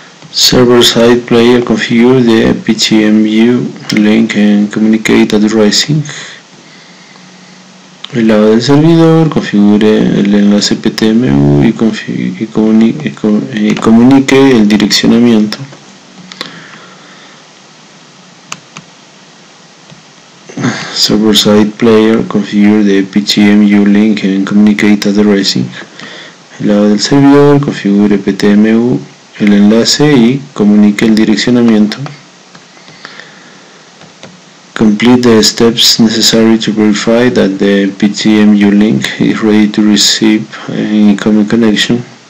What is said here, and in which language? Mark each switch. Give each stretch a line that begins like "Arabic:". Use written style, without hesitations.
English: Server side player configure the PTM view link and communicate addressing.
Spanish: El lado del servidor, configure el enlace PTMU y comunique el direccionamiento.
English: Server side player configure the PTMU link and communicate addressing.
Spanish: El lado del servidor, configure PTMU, el enlace y comunique el direccionamiento.
English: Complete the steps necessary to verify that the PTMU link is ready to receive an incoming connection.